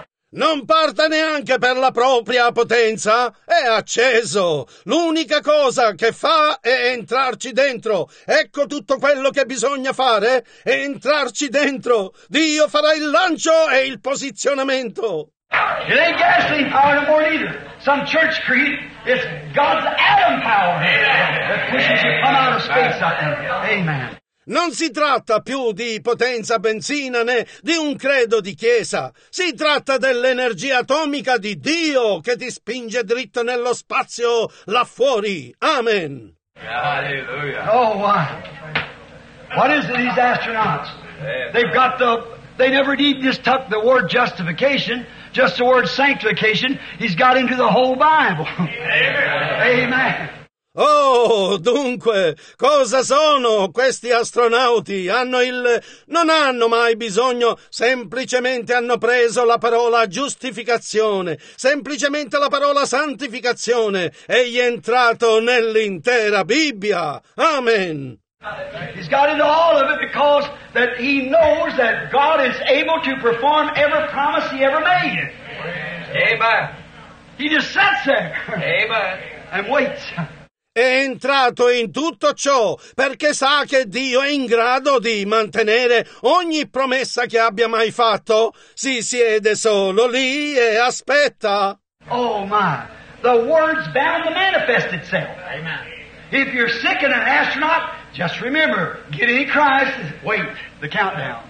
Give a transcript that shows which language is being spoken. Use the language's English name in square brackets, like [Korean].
[Italian] Non parte neanche per la propria potenza, è acceso. L'unica cosa che fa è entrarci dentro. Ecco tutto quello che bisogna fare, è entrarci dentro. Dio farà il lancio e il posizionamento. [English] It ain't gasoline power no more either. Some church creed, it's God's atom power that pushes you come out of space out there. Amen. [Italian] Non si tratta più di potenza benzina né di un credo di chiesa. Si tratta dell'energia atomica di Dio che ti spinge dritto nello spazio là fuori. Amen. [English] Hallelujah. Oh, why? What is it, these astronauts? They've got the... They never even just took the word justification, just the word sanctification. He's got into the whole Bible. Amen. Amen. [Italian] Oh, dunque, cosa sono questi astronauti? Non hanno mai bisogno, semplicemente hanno preso la parola giustificazione, semplicemente la parola santificazione, egli è entrato nell'intera Bibbia. Amen. [English] He's got into all of it because that he knows that God is able to perform every promise he ever made. Amen. He just sits there. Amen. And waits. [Italian] È entrato in tutto ciò perché sa che Dio è in grado di mantenere ogni promessa che abbia mai fatto. Si siede solo lì e aspetta. [English] Oh my, the word's bound to manifest itself. Amen. If you're sick and an astronaut, just remember, get in Christ, wait, the countdown.